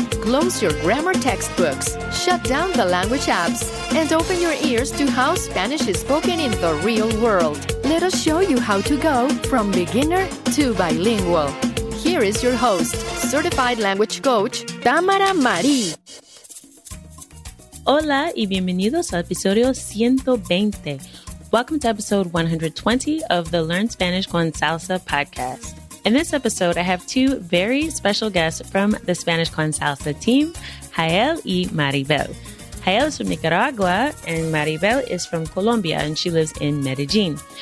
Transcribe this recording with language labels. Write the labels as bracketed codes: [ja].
[en] Close your grammar textbooks, shut down the language apps, and open your ears to how Spanish is spoken in the real world. Let us show you how to go from beginner to bilingual. Here is your host, certified language coach, Tamara Marie. [es] Hola y bienvenidos al episodio 120. [en] Welcome to episode 120 of the Learn Spanish con Salsa podcast. In this episode, I have two very special guests from the Spanish con Salsa team, Jael y Maribel. Jael is from Nicaragua and Maribel is from Colombia and she lives in Medellin.